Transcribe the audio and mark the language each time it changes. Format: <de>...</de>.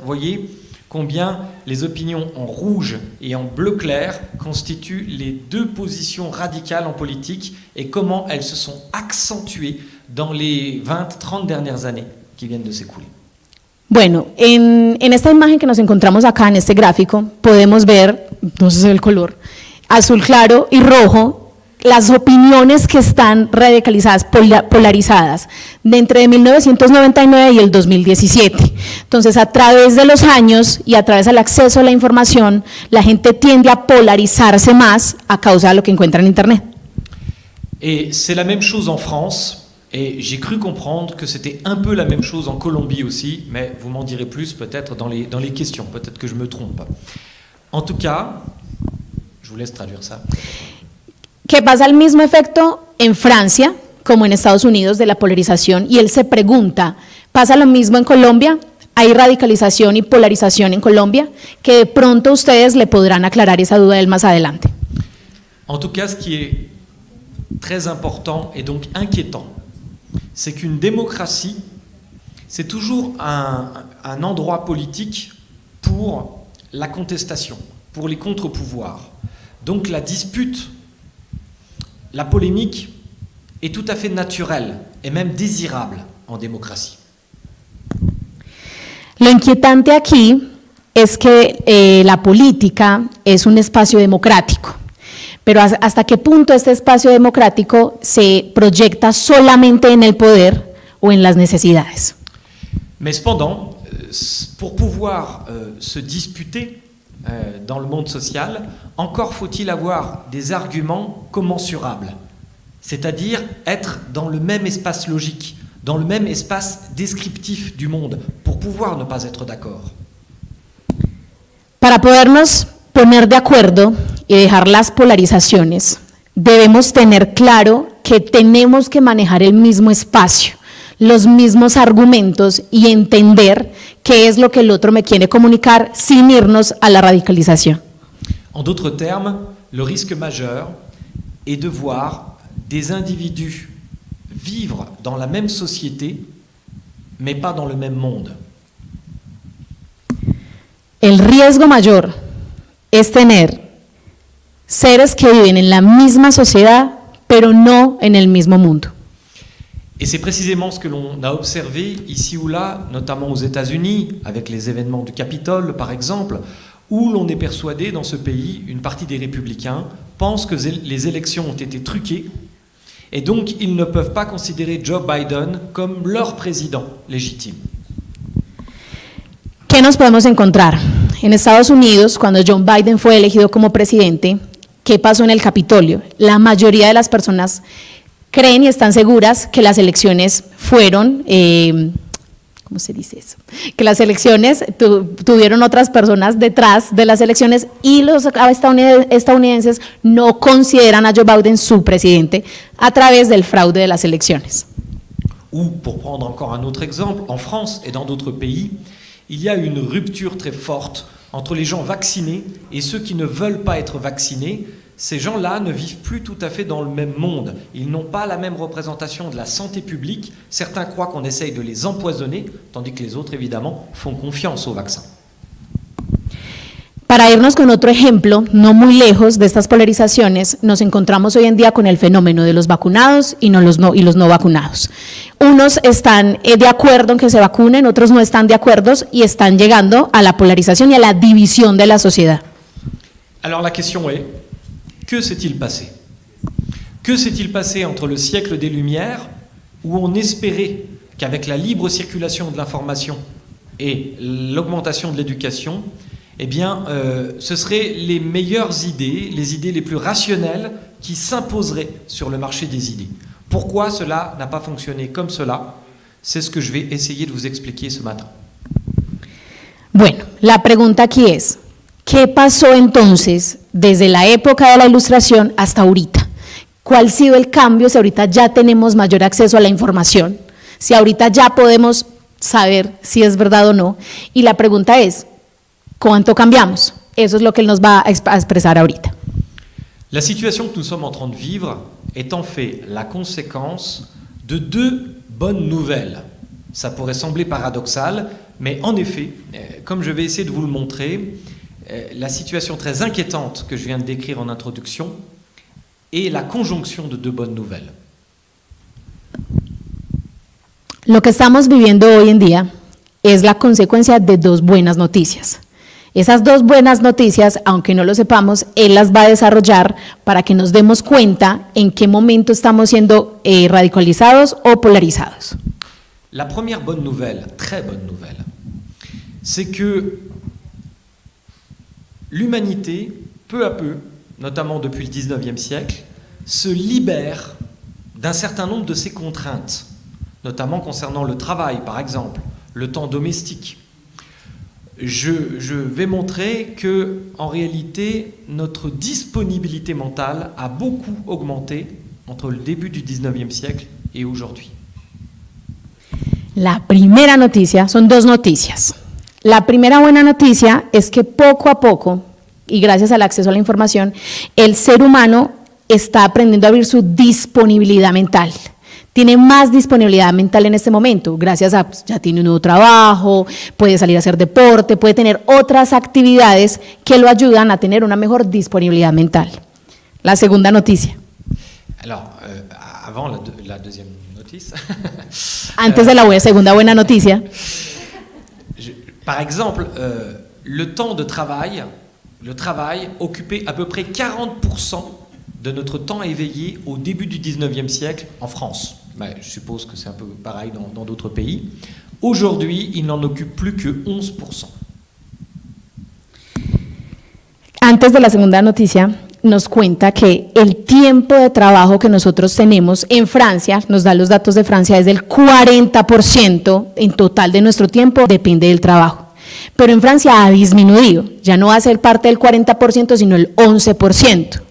<fr>Voyez combien les opinions en rouge et en bleu clair constituent les deux positions radicales en politique et comment elles se sont accentuées dans les 20-30 dernières années qui viennent de s'écouler.</fr> <es>Bueno, en esta imagen que nos encontramos acá, en este gráfico, podemos ver, no sé si es el color, azul claro y rojo, las opiniones que están radicalizadas, polarizadas, de entre 1999 y el 2017. Entonces, a través de los años y a través del acceso a la información, la gente tiende a polarizarse más a causa de lo que encuentra en Internet.</es> <fr>Et c'est la même chose en France. Et j'ai cru comprendre que c'était un peu la même chose en Colombie aussi, mais vous m'en direz plus peut-être dans les questions, peut-être que je me trompe. En tout cas, je vous laisse traduire ça.</fr> <es>Que pasa el mismo efecto en Francia como en Estados Unidos de la polarización, y él se pregunta, ¿pasa lo mismo en Colombia? ¿Hay radicalización y polarización en Colombia? Que de pronto ustedes le podrán aclarar esa duda él más adelante.</es> <fr>En tout cas, ce qui est très important et donc inquiétant, c'est qu'une démocratie, c'est toujours un endroit politique pour la contestation, pour les contre-pouvoirs. Donc la dispute, la polémique est tout à fait naturelle et même désirable en démocratie.</fr> <es>Lo inquietante aquí es que la política es un espacio democrático. Pero hasta qué punto este espacio democrático se proyecta solamente en el poder o en las necesidades.</es> <fr>Mais cependant, pour pouvoir se disputer dans le monde social, encore faut-il avoir des arguments commensurables, c'est-à-dire être dans le même espace logique, dans le même espace descriptif du monde, pour pouvoir ne pas être d'accord.</fr> <es>Para podernos poner de acuerdo y dejar las polarizaciones, debemos tener claro que tenemos que manejar el mismo espacio, los mismos argumentos y entender qué es lo que el otro me quiere comunicar sin irnos a la radicalización.</es> <fr>En d'autres termes, le risque majeur est de voir des individus vivre dans la même société, mais pas dans le même monde.</fr> <es>El riesgo mayor es tener seres que viven en la misma sociedad, pero no en el mismo mundo.</es> <fr>Et c'est précisément ce que l'on a observé ici ou là, notamment aux États-Unis, avec les événements du Capitole, par exemple, où l'on est persuadé dans ce pays, une partie des républicains pensent que les élections ont été truquées, et donc ils ne peuvent pas considérer Joe Biden comme leur président légitime.</fr> <es>¿Qué nos podemos encontrar? En Estados Unidos, cuando John Biden fue elegido como presidente, qué pasó en el Capitolio. La mayoría de las personas creen y están seguras que las elecciones fueron, ¿cómo se dice eso? Que las elecciones tuvieron otras personas detrás de las elecciones y los estadounidenses no consideran a Joe Biden su presidente a través del fraude de las elecciones.</es> <fr>O, pour prendre encore un autre exemple, en France et dans d'autres pays, il y a une rupture très forte entre les gens vaccinés et ceux qui ne veulent pas être vaccinés. Ces gens-là ne vivent plus tout à fait dans le même monde. Ils n'ont pas la même représentation de la santé publique. Certains croient qu'on essaye de les empoisonner, tandis que les autres, évidemment, font confiance au vaccin.</fr> <es>Para irnos con otro ejemplo, no muy lejos de estas polarizaciones, nos encontramos hoy en día con el fenómeno de los vacunados y, los no vacunados. Unos están de acuerdo en que se vacunen, otros no están de acuerdo y están llegando a la polarización y a la división de la sociedad.</es> <fr>Alors la question est, que s'est-il passé? Que s'est-il passé entre le siècle des Lumières, où on espérait qu'avec la libre circulation de l'information et l'augmentation de l'éducation, eh bien, ce seraient les meilleures idées, les idées les plus rationnelles qui s'imposeraient sur le marché des idées. Pourquoi cela n'a pas fonctionné comme cela? C'est ce que je vais essayer de vous expliquer ce matin.</fr> <es>Bueno, la pregunta aquí es, ¿qué pasó entonces desde la época de la Ilustración hasta ahorita? ¿Cuál ha sido el cambio si ahorita ya tenemos mayor acceso a la información? Si ahorita ya podemos saber si es verdad o no. Y la pregunta es, ¿cuánto cambiamos? Eso es lo que él nos va a expresar ahorita. La situación</es> <fr>que nous sommes en train de vivre est en fait la conséquence de deux bonnes nouvelles. Ça pourrait sembler paradoxal, mais en effet, comme je vais essayer de vous le montrer, la situation très inquiétante que je viens de décrire en introduction est la conjonction de deux bonnes nouvelles.</fr> <es>Lo que estamos viviendo hoy en día es la consecuencia de dos buenas noticias. Esas dos buenas noticias, aunque no lo sepamos, él las va a desarrollar para que nos demos cuenta en qué momento estamos siendo radicalizados o polarizados.</es> <fr>La première bonne nouvelle, très bonne nouvelle, c'est que l'humanité, peu à peu, notamment depuis le 19e siècle, se libère d'un certain nombre de ses contraintes, notamment concernant le travail, par exemple, le temps domestique. Je vais montrer que, en réalité, notre disponibilité mentale a beaucoup augmenté entre le début du 19e siècle et aujourd'hui.</fr> <es>La primera noticia, son dos noticias. La primera buena noticia es que poco a poco, y gracias al acceso a la información, el ser humano está aprendiendo a abrir su disponibilidad mental. Tiene más disponibilidad mental en este momento, gracias a ya tiene un nuevo trabajo, puede salir a hacer deporte, puede tener otras actividades que lo ayudan a tener una mejor disponibilidad mental. La segunda noticia.</es> <fr>Alors, avant la deuxième notice.</fr> <es>Antes de la segunda buena noticia.</es> <fr>Par exemple, le temps de travail, le travail occupait à peu près 40% de notre temps éveillé au début du 19e siècle en France. Mais je suppose que c'est un peu pareil dans d'autres pays. Aujourd'hui, il n'en occupe plus que 11%.</fr> <es>Antes de la segunda noticia, nos cuenta que el tiempo de trabajo que nosotros tenemos en Francia, nos da los datos de Francia, es del 40% en total de nuestro tiempo depende del trabajo. Pero en Francia ha disminuido, ya no va a ser parte del 40%, sino el 11%.</es>